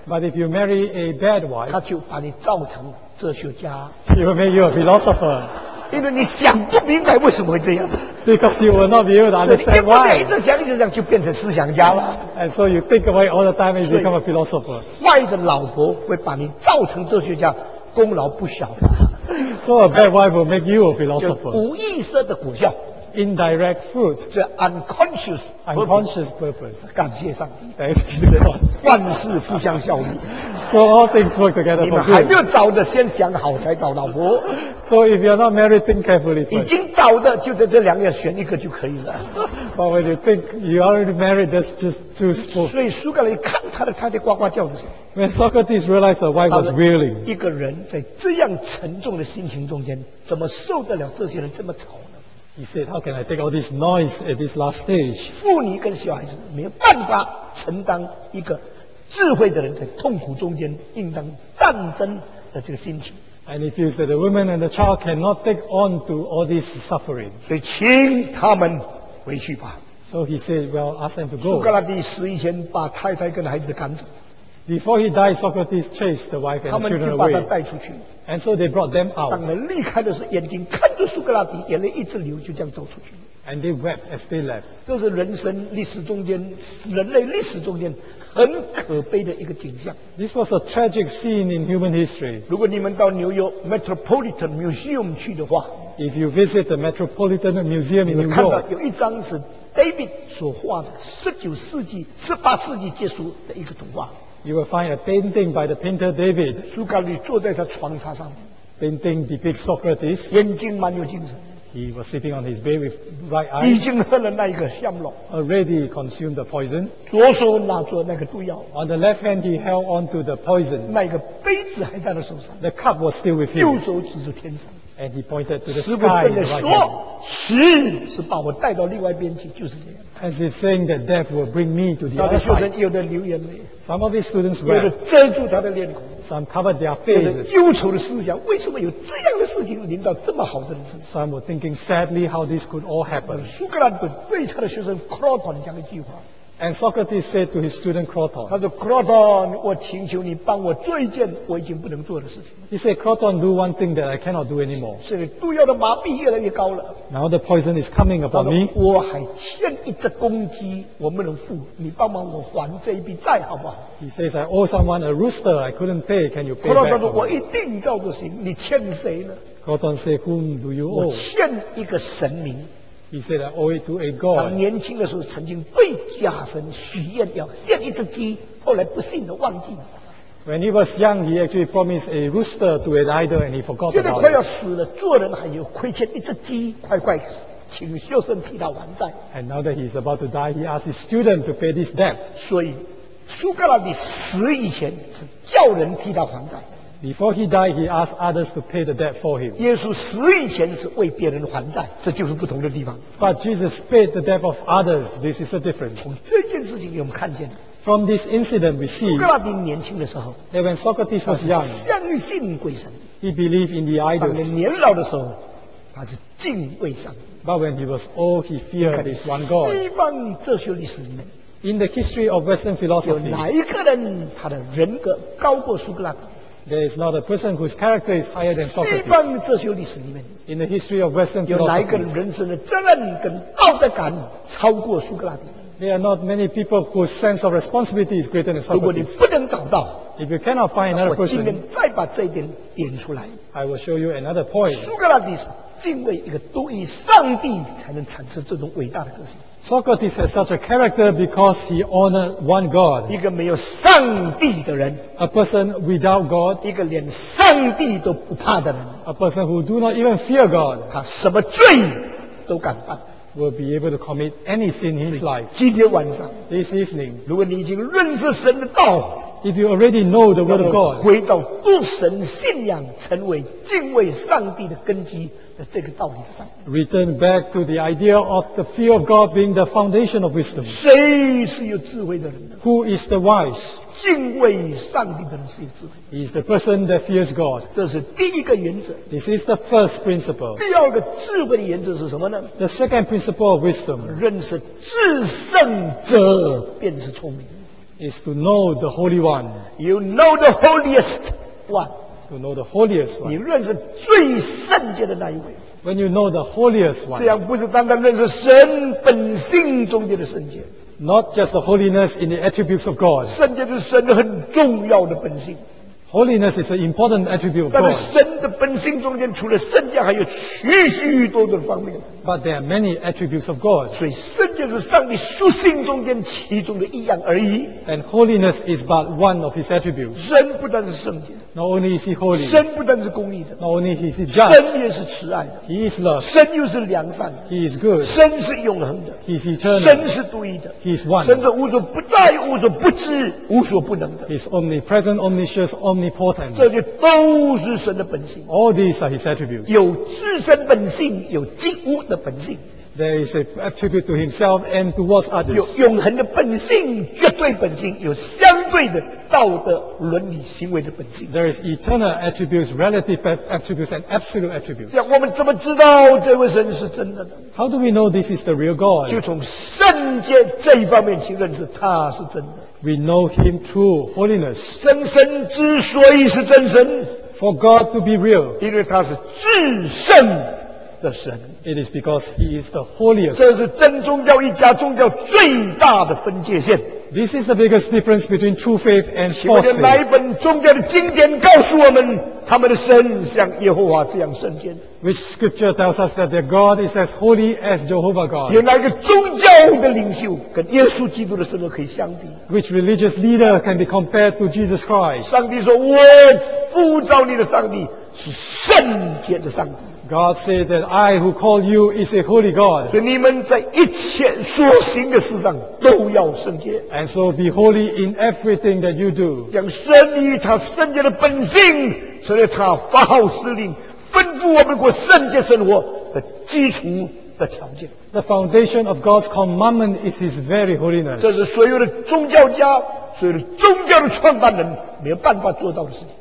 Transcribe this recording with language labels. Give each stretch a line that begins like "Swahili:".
English: but if you marry a bad wife,
Chinese: 她就把你造成哲学家，
English: she will make you a philosopher.
Chinese: 因为你想不明白为什么会这样，
English: because you will not be able to understand why.
Chinese: 一直想一直想就变成思想家了。
English: And so you think away all the time and you become a philosopher.
Chinese: 坏的老婆会把你造成哲学家，功劳不小吧。
English: So a bad wife will make you a philosopher.
Chinese: 无意识的果效，
English: indirect fruit, the unconscious purpose. Unconscious purpose.
Chinese: 感谢上帝，万事互相效力。
English: So all things work together for good.
Chinese: 你们还没有找的先想好才找老婆。
English: So if you're not married, think carefully.
Chinese: 已经找的就在这两个选一个就可以了。
English: But when you think you already married, that's just too spoiled.
Chinese: 所以苏格拉底看他的太太呱呱叫的时候，
English: when Socrates realized the wife was willing,
Chinese: 一个人在这样沉重的心情中间，怎么受得了这些人这么吵？
English: He said, how can I take all this noise at this last stage?
Chinese: 妇女跟小孩子没有办法承担一个智慧的人在痛苦中间应当战争的这个心情。
English: And he feels that the woman and the child cannot take on to all this suffering.
Chinese: 所以请他们回去吧。
English: So he said, well, ask them to go.
Chinese: 苏格拉底死以前把太太跟孩子赶走。
English: Before he died, Socrates chased the wife and the children away.
Chinese: 他们就把他带出去。
English: And so they brought them out.
Chinese: 当他离开的时候，眼睛看着苏格拉底，眼泪一直流，就这样走出去。
English: And they wept as they left.
Chinese: 这是人生历史中间，人类历史中间很可悲的一个景象。
English: This was a tragic scene in human history.
Chinese: 如果你们到纽约 Metropolitan Museum 去的话，
English: If you visit the Metropolitan Museum in New York,
Chinese: 你们看到有一张是 David 所画的18世纪结束的一个图画。
English: You will find a painting by the painter David.
Chinese: 苏格拉底坐在他床榻上面。
English: Painting depicts Socrates.
Chinese: 眼睛蛮有精神。
English: He was sitting on his bed with right eyes.
Chinese: 已经喝了那一个香露。
English: Already consumed the poison.
Chinese: 左手拿着那个毒药。
English: On the left hand, he held onto the poison.
Chinese: 那一个杯子还在他手上。
English: The cup was still with him.
Chinese: 右手指着天上。
English: And he pointed to the sky.
Chinese: 是不是说，死是把我带到另外一边去，就是这样。
English: As if saying that death will bring me to the other side.
Chinese: 有的流眼泪。
English: Some of his students wept.
Chinese: 有的遮住他的脸孔。
English: Some covered their faces.
Chinese: 有的忧愁的思想，为什么有这样的事情临到这么好的人身上？
English: Some were thinking sadly how this could all happen.
Chinese: 苏格拉底对他的学生克罗顿讲一句话。
English: And Socrates said to his student Croton.
Chinese: 他说 ，Croton， 我请求你帮我做一件我已经不能做的事情。
English: He said, Croton, do one thing that I cannot do anymore.
Chinese: 所以毒药的麻痹越来越高了。
English: Now the poison is coming upon me.
Chinese: 我还欠一只公鸡，我不能付，你帮忙我还这一笔债好不好
English: ？He says, I owe someone a rooster I couldn't pay. Can you pay back?
Chinese: Croton 说，我一定照着行。你欠谁呢
English: ？Croton said, whom do you owe?
Chinese: 我欠一个神明。
English: He said, I owe it to a god.
Chinese: 他年轻的时候曾经对假神许愿要献一只鸡，后来不幸的忘记了。
English: When he was young, he actually promised a rooster to an idol and he forgot about it.
Chinese: 现在快要死了，做人还有亏欠一只鸡，快快请修身替他还债。
English: And now that he's about to die, he asked his student to pay this debt.
Chinese: 所以苏格拉底死以前是叫人替他还债。
English: Before he died, he asked others to pay the debt for him.
Chinese: 耶稣死以前是为别人还债，这就是不同的地方。
English: But Jesus paid the debt of others. This is the difference.
Chinese: 从这件事情我们看见了。
English: From this incident, we see.
Chinese: 苏格拉底年轻的时候
English: ，when Socrates was young,
Chinese: 相信鬼神。
English: He believed in the idols.
Chinese: 当年老的时候他是敬畏上帝。
English: But when he was old, he feared this one God.
Chinese: 西方哲学历史里面
English: ，In the history of Western philosophy，
Chinese: 有哪一个人他的人格高过苏格拉底
English: ？There is not a person whose character is higher than Socrates.
Chinese: 西方哲学历史里面
English: ，In the history of Western philosophy，
Chinese: 有哪一个人人生的责任跟道德感超过苏格拉底？
English: There are not many people whose sense of responsibility is greater than Socrates.
Chinese: 如果你不能找到
English: ，If you cannot find another person，
Chinese: 我今天再把这一点点出来。
English: I will show you another point.
Chinese: 苏格拉底是敬畏一个独一上帝才能产生这种伟大的个性。
English: Socrates has such a character because he honored one God.
Chinese: 一个没有上帝的人
English: ，A person without God.
Chinese: 一个连上帝都不怕的人
English: ，A person who do not even fear God.
Chinese: 他什么罪都敢犯。
English: Will be able to commit any sin in his life.
Chinese: 今天晚上
English: ，this evening，
Chinese: 如果你已经认识神的道
English: ，if you already know the word of God，
Chinese: 回到笃神信仰，成为敬畏上帝的根基的这个道理上
English: ，return back to the idea of the fear of God being the foundation of wisdom.
Chinese: 谁是有智慧的人
English: ？Who is the wise？
Chinese: 敬畏上帝的人是有智慧。
English: He is the person that fears God.
Chinese: 这是第一个原则。
English: This is the first principle.
Chinese: 第二个智慧的原则是什么呢
English: ？The second principle of wisdom.
Chinese: 认识至圣者便是聪明。
English: Is to know the Holy One. You know the holiest one. To know the holiest one.
Chinese: 你认识最圣洁的那一位。
English: When you know the holiest one.
Chinese: 这样不是单单认识神本性中间的圣洁。
English: Not just the holiness in the attributes of God.
Chinese: 圣洁是神很重要的本性。
English: Holiness is an important attribute of God.
Chinese: 但是神的本性中间除了圣洁还有许许多多的方面。
English: But there are many attributes of God.
Chinese: 所以圣洁是上帝属性中间其中的一样而已。
English: And holiness is but one of his attributes.
Chinese: 神不但是圣洁。
English: Not only is he holy.
Chinese: 神不但是公义的。
English: Not only is he just.
Chinese: 神也是慈爱的。
English: He is love.
Chinese: 神又是良善的。
English: He is good.
Chinese: 神是永恒的。
English: He is eternal.
Chinese: 神是独一的。
English: He is one.
Chinese: 神是无所不在、无所不知、无所不能的。
English: He is omnipresent, omniscient, omnipotent.
Chinese: 这些都是神的本性。
English: All these are his attributes.
Chinese: 有至神本性，有极无的本性。
English: There is an attribute to himself and towards others.
Chinese: 有永恒的本性，绝对本性，有相对的道德伦理行为的本性。
English: There is eternal attributes, relative attributes, and absolute attributes.
Chinese: 我们怎么知道这位神是真的呢
English: ？How do we know this is the real God?
Chinese: 就从圣洁这一方面去认识他是真的。
English: We know him through holiness.
Chinese: 真神之所以是真神
English: ，For God to be real，
Chinese: 因为他是至圣。的神
English: ，It is because he is the holiest.
Chinese: 这是真宗教一家宗教最大的分界线。
English: This is the biggest difference between true faith and false faith.
Chinese: 请问哪一本宗教的经典告诉我们他们的神像耶和华这样圣洁
English: ？Which scripture tells us that their God is as holy as Jehovah God?
Chinese: 有哪个宗教的领袖跟耶稣基督的神可以相比
English: ？Which religious leader can be compared to Jesus Christ?
Chinese: 上帝说：“我呼召你的上帝是圣洁的上帝。”
English: God said that I who call you is a holy God.
Chinese: 所以你们在一切所行的事上都要圣洁。
English: And so be holy in everything that you do.
Chinese: 将神以他圣洁的本性，成为他发号施令，吩咐我们过圣洁生活的基础的条件。
English: The foundation of God's commandment is His very holiness.
Chinese: 这是所有的宗教家，所有的宗教的创办人没有办法做到的事情。